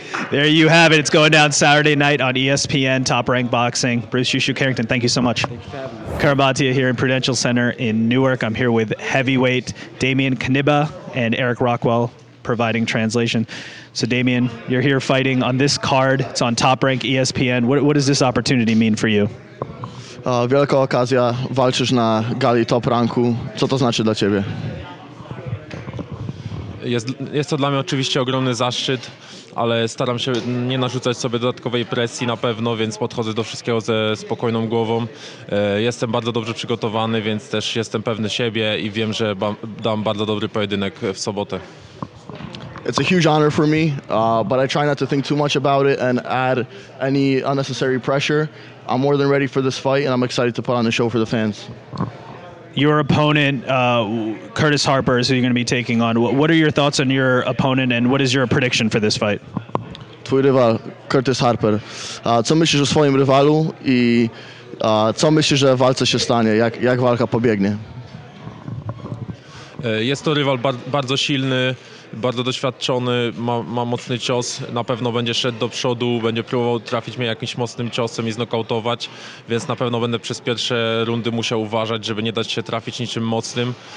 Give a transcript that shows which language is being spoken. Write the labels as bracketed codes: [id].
[en] There you have it. It's going down Saturday night on ESPN Top Rank Boxing. Bruce Shushu Carrington, thank you so much. Karabatia here in Prudential Center in Newark. I'm here with heavyweight Damian Kynba and Eric Rockwell providing translation. So Damian, you're here fighting on this card. It's on Top Rank ESPN. What does this opportunity mean for you? [pl] Wielka okazja, walczysz na gali Top Ranku. Co to znaczy dla ciebie? Jest to dla mnie oczywiście ogromny zaszczyt, ale staram się nie narzucać sobie dodatkowej presji na pewno, więc podchodzę do wszystkiego ze spokojną głową. Jestem bardzo dobrze przygotowany, więc też jestem pewny siebie i wiem, że dam bardzo dobry pojedynek w sobotę. [en] It's a huge honor for me, but I try not to think too much about it and add any unnecessary pressure. I'm more than ready for this fight and I'm excited to put on the show for the fans. Your opponent, Curtis Harper, is who you're going to be taking on. What are your thoughts on your opponent and what is your prediction for this fight? Curtis Harper. [pl] Co myślisz o swoim rywalu i co myślisz, że w walce się stanie? Jak walka pobiegnie? Jest to rywal bardzo silny, bardzo doświadczony, ma mocny cios, na pewno będzie szedł do przodu, będzie próbował trafić mnie jakimś mocnym ciosem i znokautować, więc na pewno będę przez pierwsze rundy musiał uważać, żeby nie dać się trafić niczym mocnym.